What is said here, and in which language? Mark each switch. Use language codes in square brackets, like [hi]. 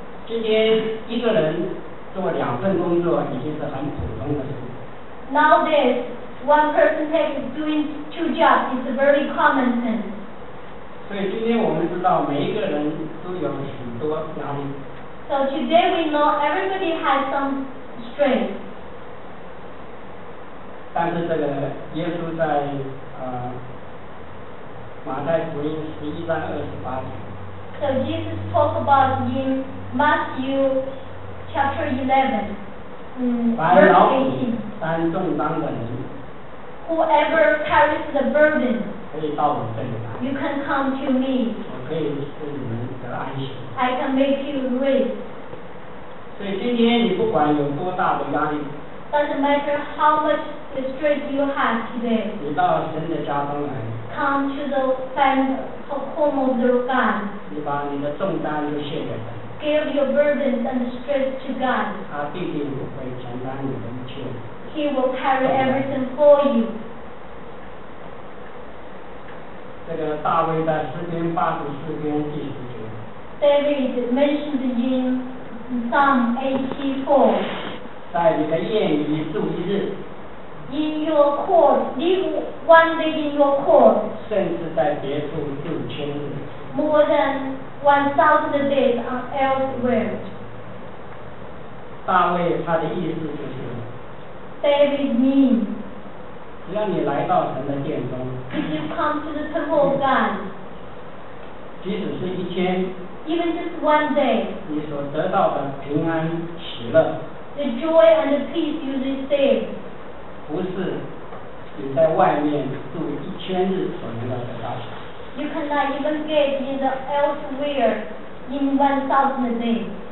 [zh] 今天一个人做两份工作已经是很普通的事。 [en] Nowadays, one person takes doing two jobs is a very common thing. [zh] 所以今天我们知道每一个人都有很多压力。 [en] So today we know everybody has some strength. [zh] 但是这个耶稣在马太福音十一章二十八节。 [en] So Jesus talked about in Matthew chapter 11, verse 18. [zh] 担重担的人。 [en] Whoever carries the burden. [zh] 可以到我这里来。 [en] You can come to me. [zh] 我可以使你们得安息。 [en] I can make you rest. [zh] 所以今天你不管有多大的压力。 [en] Doesn't matter how much strength you have today. [zh] 你到神的家中来。 [en] Come to the home of the God. [zh] 你把你的重担都卸给他。 [en] Give your burdens and stress to God. [zh] 他必定会承担你的一切。 [en] He will carry everything for you. [zh] 这个大卫在诗篇八十四篇第十节。 [en] David mentioned in Psalm 84. [zh] 在你的宴里度一日。 [en] In your court, live one day in your court. [zh] 甚至在别处度千日。 [en] More than 1,000 days elsewhere. [zh] 大卫他的意思就是。 [en] David means. [zh] 只要你来到神的殿中。 [en] If you come to the temple of God. [zh] 即使是一天。 [en] Even just one day. [zh] 你所得到的平安喜乐。 [en] The joy and the peace you receive. [zh] 不是你在外面住一千日所能够得到的。 [en] You cannot even get in the elsewhere in 1,000 days.